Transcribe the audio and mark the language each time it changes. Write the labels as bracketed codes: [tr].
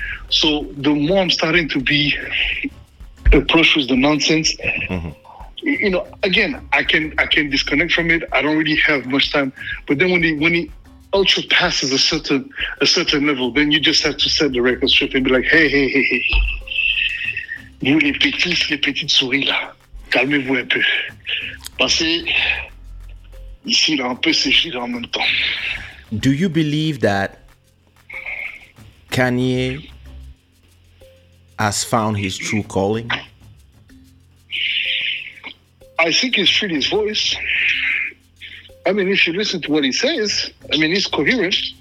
[en] So the more I'm starting to be approached with the nonsense, mm-hmm. you know, again, I can disconnect from it. I don't really have much time. But then when it ultra passes a certain level, then you just have to set the record straight and be like, hey. [fr] Vous les petites souris là, calmez-vous un peu. Parce que ici là, on peut s'échir en même temps. [en] Do you believe that Kanye has found his true calling? I think he's freed his voice. I mean, if you listen to what he says, I mean, he's coherent